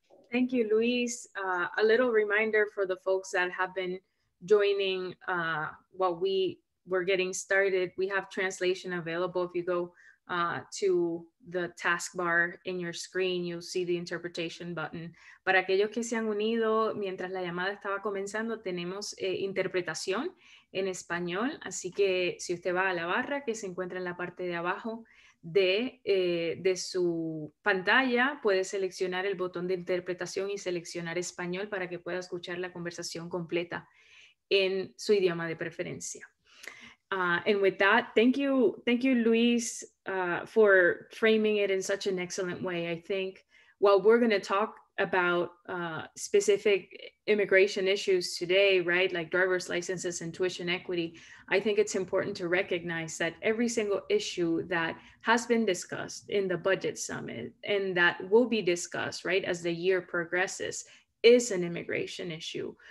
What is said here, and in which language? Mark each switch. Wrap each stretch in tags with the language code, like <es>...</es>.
<en>Thank you, Luis. A little reminder for the folks that have been joining while we were getting started, we have translation available. If you go to the taskbar in your screen, you'll see the interpretation button.</en> <es>Para aquellos que se han unido mientras la llamada estaba comenzando, tenemos interpretación en español. Así que si usted va a la barra que se encuentra en la parte de abajo de su pantalla, puede seleccionar el botón de interpretación y seleccionar español para que pueda escuchar la conversación completa en su idioma de preferencia.</es> <en>And with that, thank you, Luis, for framing it in such an excellent way. I think while we're going to talk about specific immigration issues today, right, like driver's licenses and tuition equity, I think it's important to recognize that every single issue that has been discussed in the budget summit and that will be discussed, right, as the year progresses, is an immigration issue.</en>